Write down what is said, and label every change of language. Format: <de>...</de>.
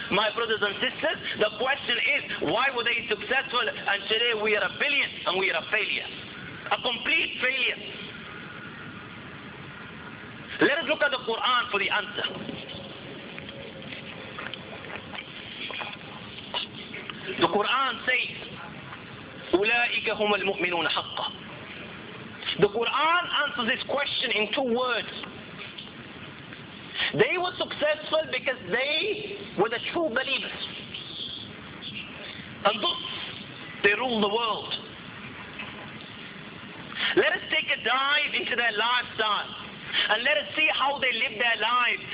<en>My brothers and sisters, the question is, why were they successful? And today we are a billion, and we are a failure. A complete failure. Let us look at the Quran for the answer. The Quran says,</en> <ar>أُولَٰئِكَ هُمَ الْمُؤْمِنُونَ حَقَّةً.</ar> <en>The Quran answers this question in two words. They were successful because they were the true believers. And thus, they rule the world. Let us take a dive into their lifestyle. And let us see how they live their lives.</en>